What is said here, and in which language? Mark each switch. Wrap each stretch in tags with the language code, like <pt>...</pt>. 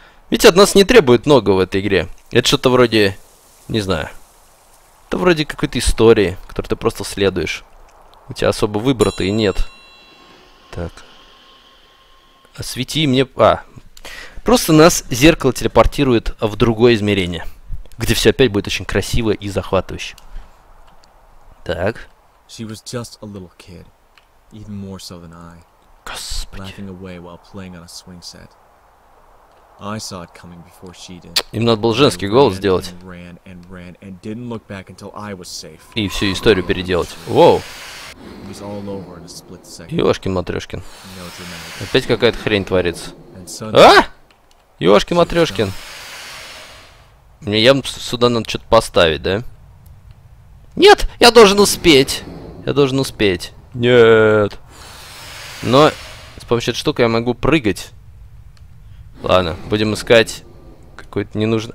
<ru>Ведь от нас не требует много в этой игре. Это что-то вроде, не знаю, это вроде какой-то истории, которую ты просто следуешь. У тебя особо выбора-то и нет. Так. Освети мне... А. Просто нас зеркало телепортирует в другое измерение, где все опять будет очень красиво и захватывающе. Так.</ru> <en>She was just a little kid, even more so than I.</en> <ru>Господи.</ru> <en>Laughing away while playing on a swing set. I saw it coming before she did.</en> <ru>Им надо было женский голос сделать.</ru> <en>Ran and ran and didn't look back until I was safe.</en> <ru>И всю историю переделать. Воу.</ru> <en>It was all over in a split second.</en> <ru>Ёшкин-матрёшкин. Опять какая-то хрень творится. А? Ёшкин-матрёшкин. Мне явно сюда надо что-то поставить, да? Нет, я должен успеть. Я должен успеть. Нет. Но с помощью этой штуки я могу прыгать. Ладно, будем искать какой-то ненужный...</ru>